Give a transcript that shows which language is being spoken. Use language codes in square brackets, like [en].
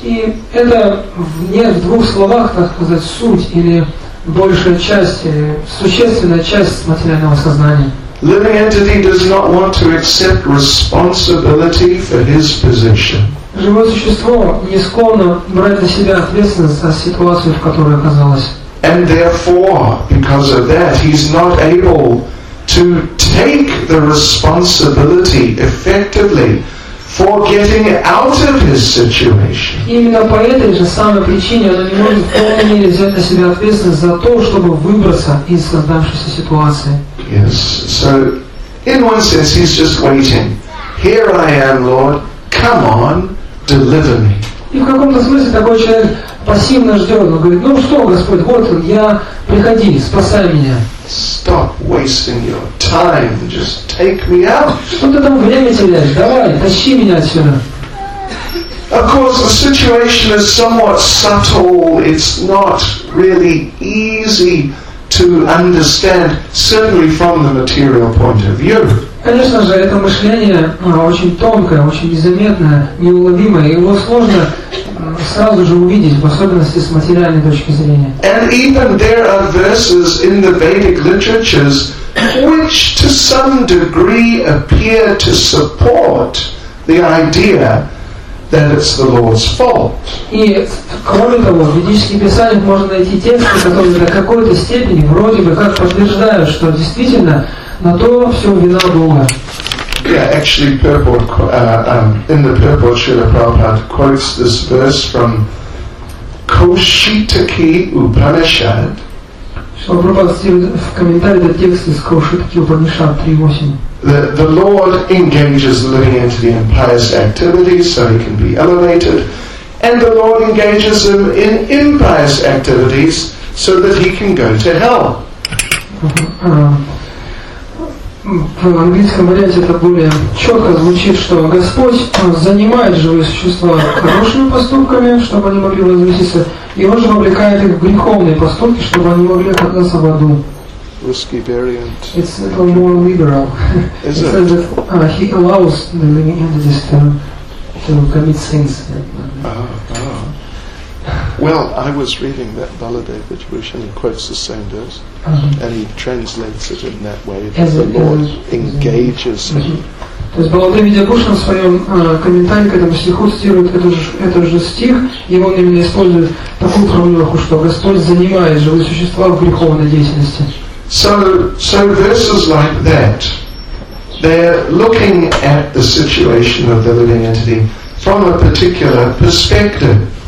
[ru] И это в двух словах, так сказать, суть или большая часть, существенная часть материального сознания. [en] Living entity does not want to accept responsibility for his position. [ru] Живое существо не склонно брать на себя ответственность за ситуацию, в которой оказалось. [en] And therefore, because of that, he's not able to take the responsibility effectively for getting out of his situation. [ru] Именно по этой же самой причине он не может в полной мере взять на себя ответственность за то, чтобы выбраться из создавшейся ситуации. [en] Yes, so in one sense he's just waiting. Here I am, Lord, come on, deliver me. [ru] И в каком-то смысле такой человек пассивно ждет. Он говорит, ну что, Господь, вот он, я, приходи, спасай меня. [en] Stop wasting your time. Just take me out. [ru] Что ты там время теряешь? Давай, тащи меня отсюда. [en] Of course, the situation is somewhat subtle. It's not really easy to understand, certainly from the material point of view. [ru] Конечно же, это мышление очень тонкое, очень незаметное, неуловимое, и его сложно сразу же увидеть, в особенности с материальной точки зрения. [en] And even there are verses in the Vedic literatures which to some degree appear to support the idea then it's the Lord's fault. [ru] И кроме того, в ведических писаниях можно найти тексты, которые до какой-то степени вроде бы как подтверждают, что действительно на то все вина Бога. [en] Yeah, actually, Purport, in the Purport, Srila Prabhupada quotes this verse from Kaushitaki Upanishad. The Lord engages the living entity in pious activities so he can be elevated, and the Lord engages him in impious activities so that he can go to hell. [ru] В английском варианте это более четко звучит, что Господь занимает живые существа хорошими поступками, чтобы они могли возвыситься, и Он же вовлекает их в греховные поступки, чтобы они могли оказаться в аду. Русский вариант. [en] It's a little more liberal. Is it? It says that he allows the living entities to commit sins. Well, I was reading that Baladeva Vibhushan quotes the same verse, and he translates it in that way, that the Lord engages him. [ru] То есть Баладеви Дягушин в своем комментарии к этому стиху цитирует этот же стих, и он именно использует такую формулировку, что Господь занимает живые существа в греховной деятельности. [en] So verses like that, they're looking at the situation of the living entity from a particular perspective.